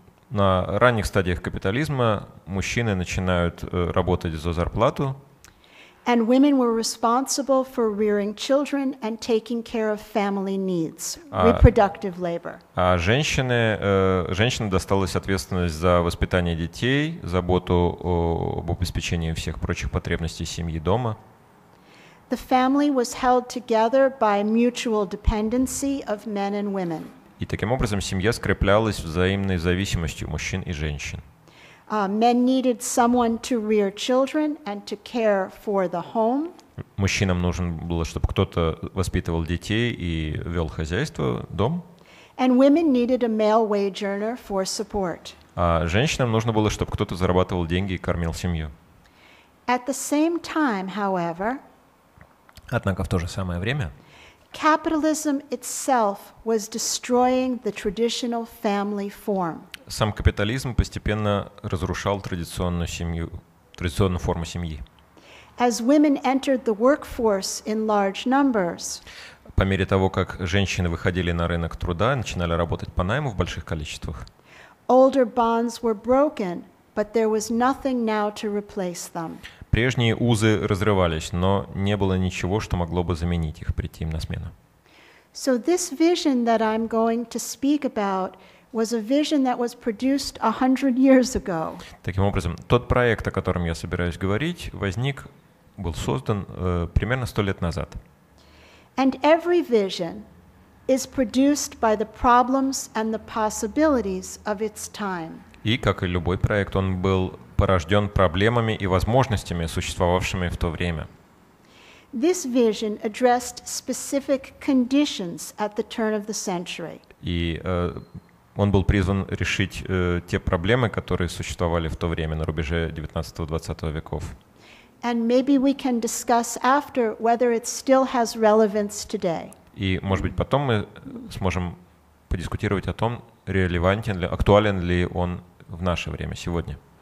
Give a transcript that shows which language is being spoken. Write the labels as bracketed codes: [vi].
[ru] На ранних стадиях капитализма мужчины начинают работать за зарплату. [en] And women were responsible for rearing children and taking care of family needs, reproductive labor. [ru] А женщины, женщинам досталась ответственность за воспитание детей, заботу об обеспечении всех прочих потребностей семьи, дома. [en] The family was held together by mutual dependency of men and women. [ru] И таким образом семья скреплялась взаимной зависимостью мужчин и женщин. [en] Men needed someone to rear children and to care for the home. [ru] Мужчинам нужно было, чтобы кто-то воспитывал детей и вел хозяйство, дом. [en] And women needed a male wage earner for support. [ru] А женщинам нужно было, чтобы кто-то зарабатывал деньги и кормил семью. [en] At the same time, however, [ru] однако в то же самое время, [en] capitalism itself was destroying the traditional family form. [ru] Сам капитализм постепенно разрушал традиционную семью, традиционную форму семьи. [en] As women entered the workforce in large numbers, [ru] по мере того, как женщины выходили на рынок труда, начинали работать по найму в больших количествах, [en] older bonds were broken, but there was nothing now to replace them. [ru] Прежние узы разрывались, но не было ничего, что могло бы заменить их, прийти им на смену. [en] So this vision that I'm going to speak about was a vision that was produced 100 years ago. [ru] Таким образом, тот проект, о котором я собираюсь говорить, возник, был создан примерно 100 лет назад. [en] And every vision is produced by the problems and the possibilities of its time. [ru] И, как и любой проект, он был порожден проблемами и возможностями, существовавшими в то время. [en] This vision addressed specific conditions at the turn of the century. [ru] И он был призван решить те проблемы, которые существовали в то время, на рубеже 19-20 веков. [en] And maybe we can discuss after whether it still has relevance today. [ru] И, может быть, потом мы сможем подискутировать о том, релевантен ли, актуален ли он в наше время, сегодня.